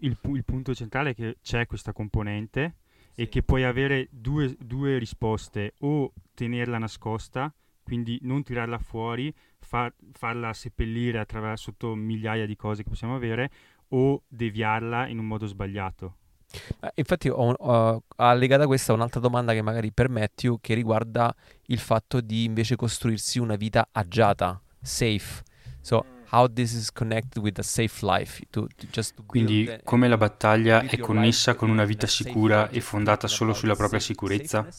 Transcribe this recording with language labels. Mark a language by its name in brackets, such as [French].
[Italian] Il punto centrale è che c'è questa componente. E che puoi avere due risposte: o tenerla nascosta, quindi non tirarla fuori, farla seppellire sotto migliaia di cose che possiamo avere, o deviarla in un modo sbagliato. Infatti ho allegato a questa un'altra domanda che magari per Matthew, che riguarda il fatto di invece costruirsi una vita agiata, safe. [English] So, how this is connected with a safe life? [Italian] Quindi, come la battaglia è connessa con una vita sicura e fondata solo sulla propria sicurezza?